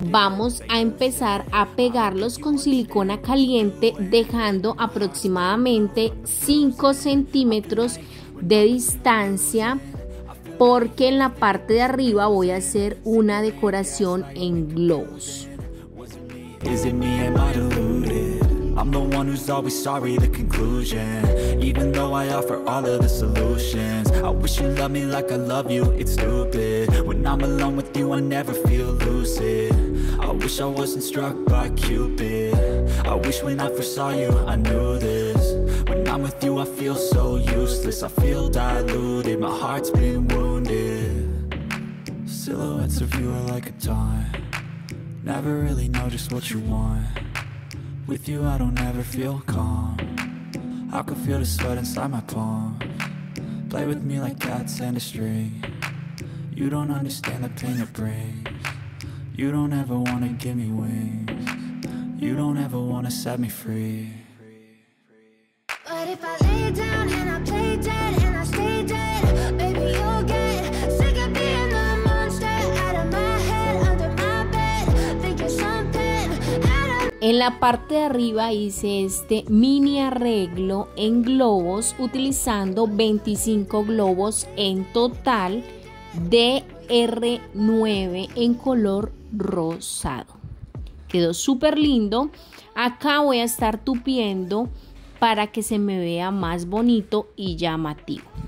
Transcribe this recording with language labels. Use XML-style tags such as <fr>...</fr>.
<es>Vamos a empezar a pegarlos con silicona caliente, dejando aproximadamente 5 centímetros de distancia, porque en la parte de arriba voy a hacer una decoración en globos.</es> <en>Is it me, am I deluded? I'm the one who's always sorry, the conclusion. Even though I offer all of the solutions, I wish you loved me like I love you, it's stupid. When I'm alone with you, I never feel lucid. I wish I wasn't struck by Cupid. I wish when I first saw you, I knew this. When I'm with you, I feel so useless. I feel diluted, my heart's been wounded. Silhouettes of you are like a taunt. Never really know just what you want. With you I don't ever feel calm. I can feel the sweat inside my palm. Play with me like cats and a string. You don't understand the pain it brings. You don't ever wanna give me wings. You don't ever wanna set me free. But if I lay down and I play dead and I stay dead, baby you'll get sick of being the monster. Out of my head, under my bed, think you're something.</en> <es>En la parte de arriba hice este mini arreglo en globos, utilizando 25 globos en total de R9 en color rosado. Quedó súper lindo. Acá voy a estar tupiendo para que se me vea más bonito y llamativo.</es>